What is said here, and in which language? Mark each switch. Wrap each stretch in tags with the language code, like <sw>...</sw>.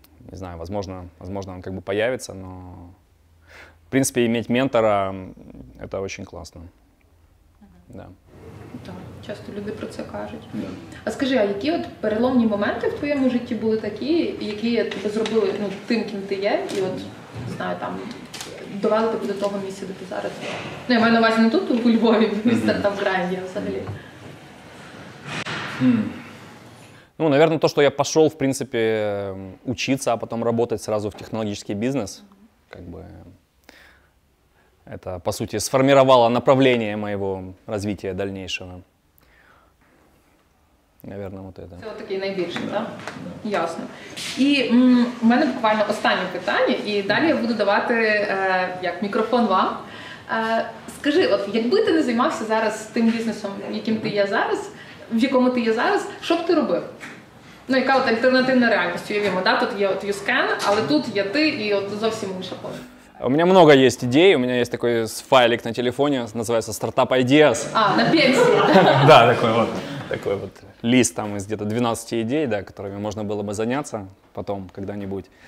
<ru>Не знаю, возможно, он как бы появится, но, в принципе, иметь ментора — это очень классно. Да.</ru> <uk>Да, часто люди про це кажуть.</uk> <en>Yeah.</en> <uk>А скажи, а які от переломні моменти в твоєму житті були такі, які тебе зробили, ну, тим, ким ти є, і от, не знаю, там, довели тебе до того місця, де ти зараз? Ну, я маю на увазі не тут, у Львові, в стартап-гранді, а взагалі. Ну, наверное, то, що я пішов, в принципі, учитися, а потім працювати одразу в технологічний бізнес, як би,</uk> <ru>Это, по сути, сформировало направление моего развития дальнейшего. Наверное, вот это.</ru> <uk>Це такий найбільший, так? Да. Ясно. І в мене буквально останнє питання, і далі я буду давати як мікрофон вам. Скажи, от, якби ти не займався зараз тим бізнесом, яким ти є зараз, в якому ти є зараз, що б ти робив? Ну, яка от альтернативна реальність, уявімо, да? Тут є от YouScan, але тут є ти і от зовсім інша поле.</uk> <ru>У меня много есть идей, у меня есть такой файлик на телефоне, называется «Startup Ideas». А, на пенсии. Да, такой вот лист там из где-то 12 идей, да, которыми можно было бы заняться потом, когда-нибудь.</ru>